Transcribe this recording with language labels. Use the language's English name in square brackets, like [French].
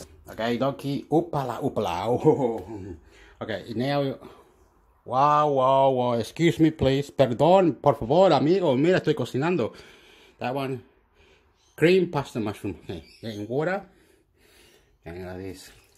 [English] Okay, donkey, oopala, oopala. Okay, now, wow, excuse me, please. [Spanish] Perdón, por favor, amigo, mira, estoy cocinando. [English] That one, cream pasta mushroom. Okay, getting water, and like this.